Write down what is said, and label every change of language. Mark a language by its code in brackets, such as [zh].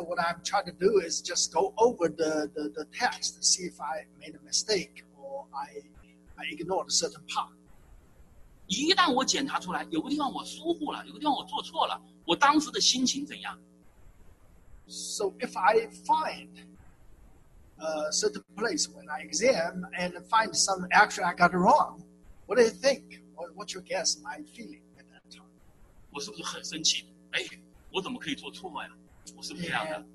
[en] what I'm trying to do is just go over the test, see if I made a mistake or I ignored a certain part. [zh] 一旦我检查出来，有个地方我疏忽了，有个地方我做错了，我当时的心情怎样？ [en] So if I find a certain place when I exam and find some action I got wrong, what do you think? What's your guess? My feeling at that time? [zh] 我是不是很生气？哎，我怎么可以做错呀？我是不是这样的？